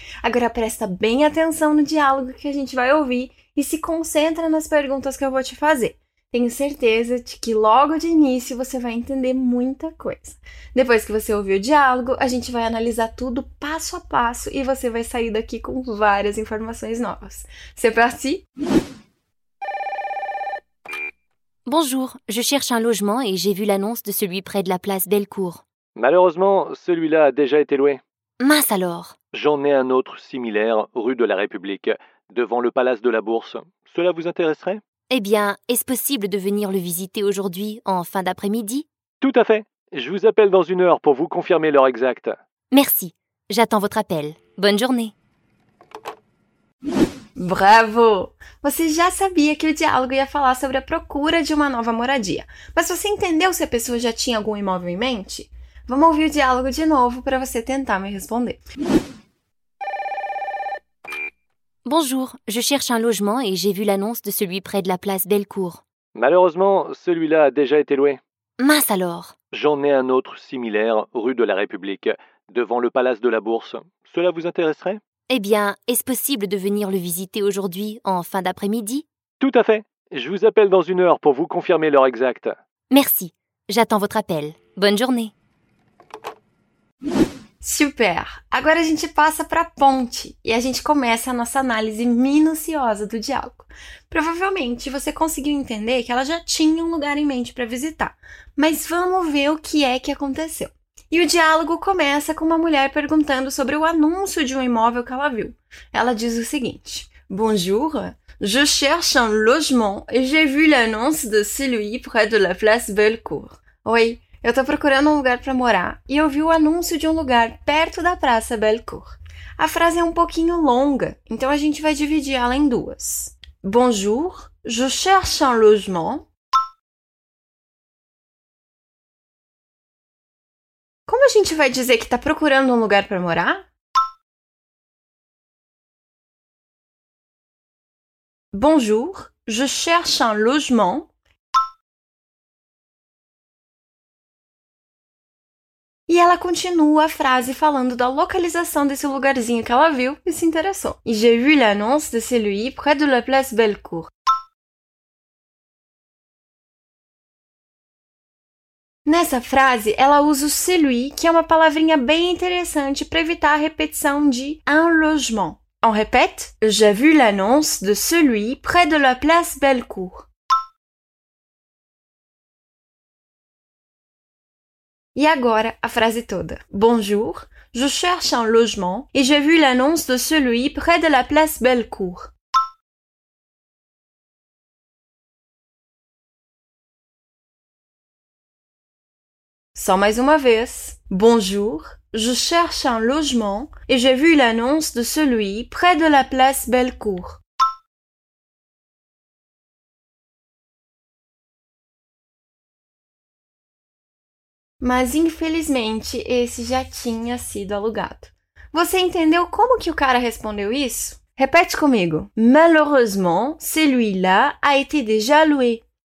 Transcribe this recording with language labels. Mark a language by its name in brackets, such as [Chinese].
[Portuguese] Agora, presta bem atenção no diálogo que a gente vai ouvir e se concentra nas perguntas que eu vou te fazer. Tenho certeza de que logo de início você vai entender muita coisa. Depois que você ouvir o diálogo, a gente vai analisar tudo passo a passo e você vai sair daqui com várias informações novas. [French] C'est parti! Bonjour, je cherche un logement et j'ai vu l'annonce de celui près de la place Bellecour. Malheureusement, celui-là a déjà été loué. Mince alors! J'en ai un autre similaire, rue de la République, devant le palace de la Bourse. Cela vous intéresserait? Eh bien, est-ce possible de venir le visiter aujourd'hui, en fin d'après-midi? Tout à fait. Je vous appelle dans une heure pour vous confirmer l'heure exacte. Merci. J'attends votre appel. Bonne journée. [Portuguese] Bravo! Você já sabia que o diálogo ia falar sobre a procura de uma nova moradia. Mas você entendeu se a pessoa já tinha algum imóvel em mente? Vamos ouvir o diálogo de novo para você tentar me responder. [French] Bonjour, je cherche un logement et j'ai vu l'annonce de celui près de la place Bellecour. Malheureusement, celui-là a déjà été loué. Mince alors. J'en ai un autre similaire, rue de la République, devant le palace de la Bourse. Cela vous intéresserait? Eh bien, est-ce possible de venir le visiter aujourd'hui, en fin d'après-midi? Tout à fait. Je vous appelle dans une heure pour vous confirmer l'heure exacte. Merci. J'attends votre appel. Bonne journée. [Portuguese] Super! Agora a gente passa para a ponte e a gente começa a nossa análise minuciosa do diálogo. Provavelmente você conseguiu entender que ela já tinha um lugar em mente para visitar, mas vamos ver o que é que aconteceu. E o diálogo começa com uma mulher perguntando sobre o anúncio de um imóvel que ela viu. Ela diz o seguinte: [French] Bonjour, je cherche un logement et j'ai vu l'annonce de celui près de la place Bellecour. [Portuguese] Oi! Eu estou procurando um lugar para morar e eu vi o anúncio de um lugar perto da Praça Bellecour. A frase é um pouquinho longa, então a gente vai dividir ela em duas. [French] Bonjour, je cherche un logement. [Portuguese] Como a gente vai dizer que está procurando um lugar para morar? [French] Bonjour, je cherche un logement. [Portuguese] E ela continua a frase falando da localização desse lugarzinho que ela viu e se interessou. [French] J'ai vu l'annonce de celui près de la place Bellecour. [Portuguese] Nessa frase, ela usa o celui, que é uma palavrinha bem interessante para evitar a repetição de un logement. [French] On répète? J'ai vu l'annonce de celui près de la place Bellecour. [Portuguese] E agora a frase toda. [French] Bonjour, je cherche un logement et j'ai vu l'annonce de celui près de la place Bellecour. [Portuguese] Só mais uma vez. [French] Bonjour, je cherche un logement et j'ai vu l'annonce de celui près de la place Bellecour. [Portuguese] Mas infelizmente esse já tinha sido alugado. Você entendeu como que o cara respondeu isso? Repete comigo. [French] Malheureusement, celui-là a été déjà loué.